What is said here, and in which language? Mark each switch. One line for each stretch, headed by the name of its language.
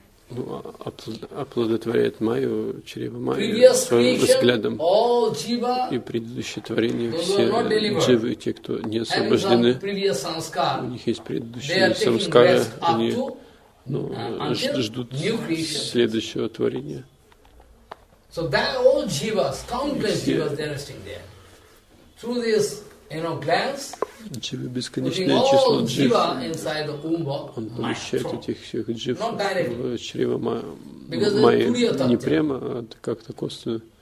Russian: Ну, оплодотворяет Майю, чрево Майи, своим взглядом. И предыдущее творение, все дживы, те, кто не освобождены, у них есть предыдущие самскары, они ждут следующего творения.
English: So that all jivas, countless jivas, they are resting there. Through this, you know, glands,
Russian: дживы, бесконечное число джив, он помещает этих всех джив в чрево Майи, не прямо, а как-то косвенно.